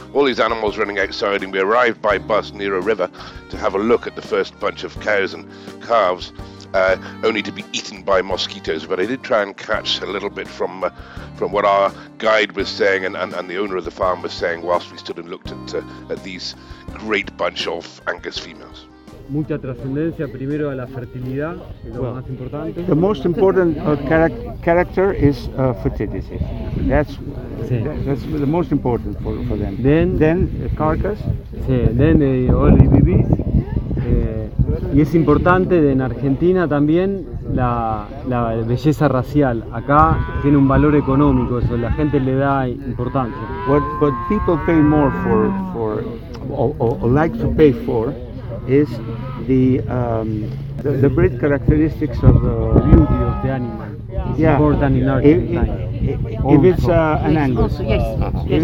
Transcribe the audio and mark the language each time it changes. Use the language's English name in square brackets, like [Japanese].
[English] All these animals running outside, and we arrived by bus near a river to have a look at the first bunch of cows and calves, only to be eaten by mosquitoes. But I did try and catch a little bit from what our guide was saying and the owner of the farm was saying whilst we stood and looked at these great bunch of Angus females. [Spanish] Mucha trascendencia primero a la fertilidad, lo [English] well, [Spanish] más importante. [English] The most important character is fertility. That's [Spanish] sí. [English] That's the most important for them. Then carcass. [Spanish] Sí. [English] Then all the babies. [Spanish] Y es importante en Argentina también la belleza racial. Acá tiene un valor económico, eso la gente le da importancia. [English] What people pay more for or like to pay for is the breed characteristics of the beauty of the animal. It's important in Argentina. If it's an Angus, also, yes. Yes.